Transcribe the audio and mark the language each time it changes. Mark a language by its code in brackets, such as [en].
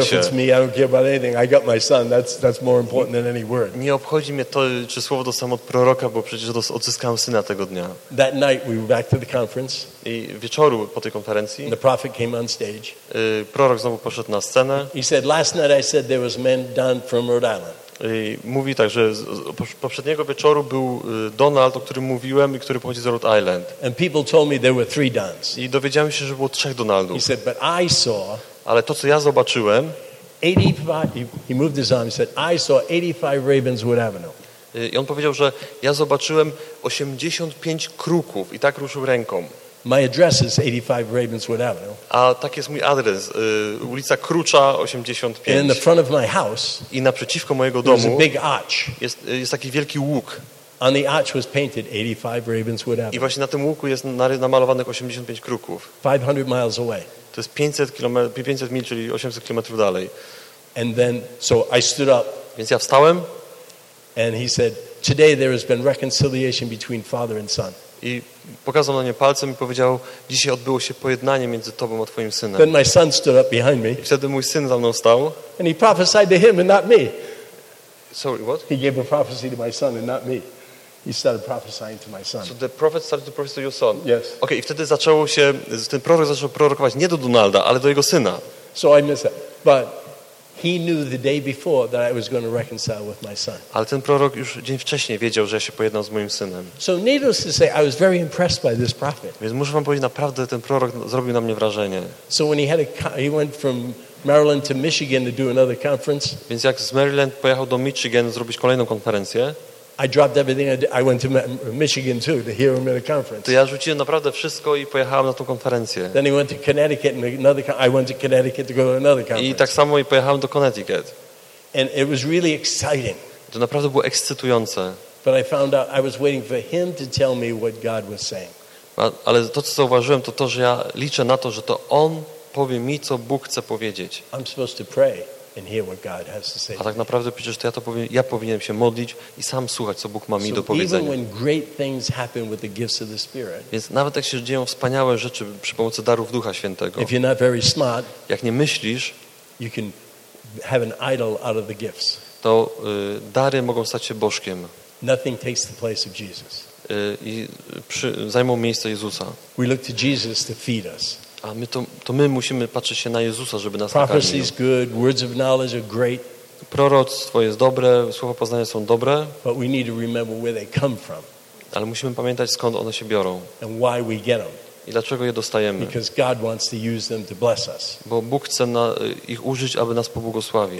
[en] I don't care if it's me. I don't care about anything. I got my son. That's more important than any word. [pl] Nie obchodzi mnie to, czy słowo dostałem od proroka, bo przecież odzyskałem syna tego dnia. [en] That night we were back to the conference. [pl] I wieczoru po tej konferencji. [en] The prophet came on stage. [pl] Prorok znowu poszedł na scenę. [en] He said, last night I said there was a man down from Rhode Island. [pl] I mówi tak, że poprzedniego wieczoru był Donald, o którym mówiłem i który pochodzi z Rhode Island. [en] And people told me there were three Dons. [pl] I dowiedziałem się, że było trzech Donaldów. [en] He said, but I saw, [pl] ale to, co ja zobaczyłem, [en] 85 Ravenswood Avenue. [pl] I on powiedział, że ja zobaczyłem 85 kruków i tak ruszył ręką. [en] My address is 85 Ravenswood Avenue. [pl] A tak jest mój adres, ulica Krucza 85. [en] In the front of my house. [pl] I naprzeciwko mojego domu. [en] There's a big arch. [pl] Jest taki wielki łuk. [en] On the arch was painted 85 Ravenswood Avenue. [pl] I właśnie na tym łuku jest namalowanych 85 kruków. [en] 500 miles away. [pl] To jest 500 mil, czyli 800 kilometrów dalej. [en] And then, so I stood up. [pl] Więc ja wstałem. [en] And he said, "Today there has been reconciliation between father and son." [pl] I pokazał na nie palcem i powiedział, dzisiaj odbyło się pojednanie między tobą a twoim synem. [en] Then my son stood up behind me. [pl] I wtedy mój syn za mną stał. [en] And he prophesied to him and not me. Sorry, what? He gave a prophecy to my son and not me. He started prophesying to my son. So the prophet started to prophesy to your son. Yes. [pl] Okay, i wtedy zaczęło się, ten prorok zaczął prorokować nie do Donalda, ale do jego syna. [en] So I missed that. But he knew the day before that I was going to reconcile with my son. [pl] Ale ten prorok już dzień wcześniej wiedział, że ja się pojednał z moim synem. [en] So needless to say, I was very impressed by this prophet. [pl] Więc muszę wam powiedzieć, naprawdę ten prorok zrobił na mnie wrażenie. [en] So when he went from Maryland to Michigan to do another conference. [pl] Więc jak z Maryland pojechał do Michigan zrobić kolejną konferencję. [en] I dropped everything. I went to Michigan too to hear him at a conference. [pl] To ja rzuciłem naprawdę wszystko i pojechałem na tą konferencję. [en] Then he went to Connecticut and another. I went to Connecticut to go to another conference. [pl] I tak samo i pojechałem do Connecticut. [en] And it was really exciting. [pl] To naprawdę było ekscytujące. [en] But I found out I was waiting for him to tell me what God was saying. [pl] Ale to, co zauważyłem, to to, że ja liczę na to, że to on powie mi, co Bóg chce powiedzieć. [en] I'm supposed to pray and hear what God has to say. [pl] A tak naprawdę przecież to ja powinienem się modlić i sam słuchać, co Bóg ma mi do powiedzenia. [en] Even when great things happen with the gifts of the Spirit. [pl] Więc nawet jak się dzieją wspaniałe rzeczy przy pomocy darów Ducha Świętego. [en] If you're not very smart, [pl] jak nie myślisz, [en] you can have an idol out of the gifts. [pl] To dary mogą stać się bożkiem. [en] Nothing takes the place of Jesus. [pl] I zajmą miejsce Jezusa. [en] We look to Jesus to feed us. [pl] A my to my musimy patrzeć się na Jezusa, żeby nas nakarmił. [en] Prophecy is good, words of knowledge are great. [pl] Proroctwo jest dobre, słowa poznania są dobre. [en] But we need to remember where they come from. [pl] Ale musimy pamiętać, skąd one się biorą. [en] And why we get them. [pl] I dlaczego je dostajemy. [en] Because God wants to use them to bless us. [pl] Bo Bóg chce ich użyć, aby nas pobłogosławić.